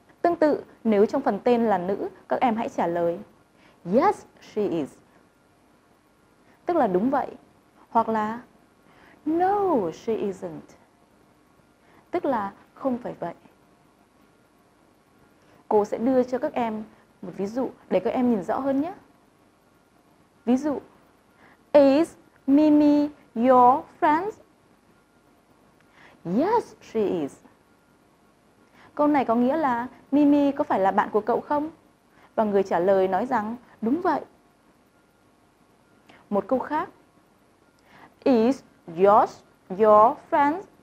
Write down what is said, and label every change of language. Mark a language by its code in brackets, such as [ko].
[vi] Tương tự, nếu trong phần tên là nữ, các em hãy trả lời [en] yes, she is. [vi] Tức là đúng vậy. Hoặc là [en] no, she isn't. [vi] Tức là không phải vậy. Cô sẽ đưa cho các em một ví dụ để các em nhìn rõ hơn nhé. Ví dụ, [en] is Mimi your friend? Yes, she is. [vi] Câu này có nghĩa là Mimi có phải là bạn của cậu không? Và người trả lời nói rằng đúng vậy. Một câu khác. [en] Is Josh your friend?